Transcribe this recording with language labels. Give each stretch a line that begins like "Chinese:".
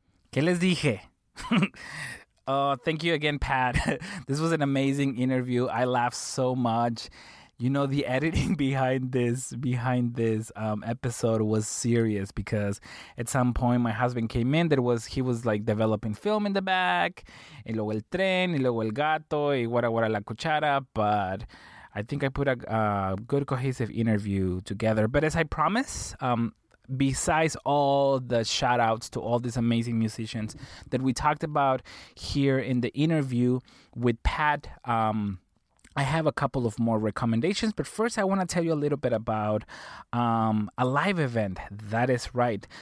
Spanish: ¿Qué les dije?
English: Oh, thank you again, Pat. This was an amazing interview. I laughed so much. You know, the editing behind this episode was serious, because at some point my husband came in. He was like developing film in the back.
Spanish: Y luego el tren, y luego el gato, y guara guara la cuchara.
English: But I think I put a good cohesive interview together. But as I promise, besides all the shout outs to all these amazing musicians that we talked about here in the interview with Pat, I have a couple of more recommendations, but first I want to tell you a little bit about a live event. That is right.